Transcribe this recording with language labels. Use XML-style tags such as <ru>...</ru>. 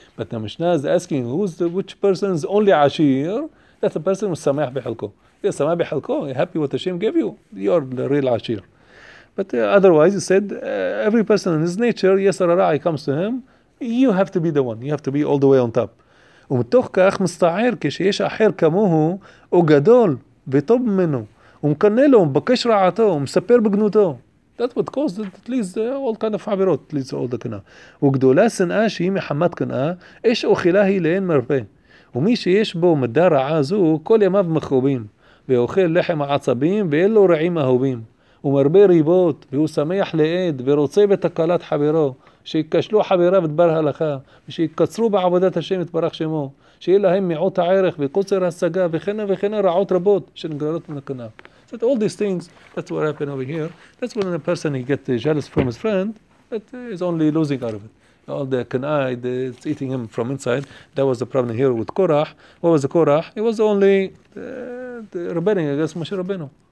<en>But the Mishnah is asking, which person is only Ashir? That's a person who is Sameach b'Chelko. Yes, Sameach b'Chelko. You're happy what Hashem gave you. You are the real Ashir. But otherwise, he said, every person in his nature, yes or ra'i comes to him. You have to be the one. You have to be all the way on top.</en> <he>ומתוך כך מסתער כשיש אחר כמוהו או גדול וטוב ממנו ומקנה לו ומבקש רעתו ומספר בגנותו.</he> <en>That's what caused it, at least all kind of עבירות, at least all the קנאה.</en> <he>וגדולה שנאה שהיא מחמת קנאה, אש אוכלה היא לאין מרפא. ומי שיש בו מדה רעה זו כל ימיו מכרובים, ואוכל לחם עצבים ואין לו רעים אהובים. ומרבה ריבות והוא שמח לעד ורוצה בתקלת חברו. שיקשלו חבריו את בר הלכה, ושיקצרו בעבודת השם את ברך שמו, שיהיה להם מעוט הערך וקוצר השגה, וכן רעות רבות שנגרלות מן הקנאה.</he> <en>So all these things, that's what happened over here. That's when a person, he gets jealous from his friend, that is only losing out of it. All the קנאה, it's eating him from inside. That was the problem here with Korach. What was the Korach? It was only the rebelling against Moshe Rabbeinu.</en>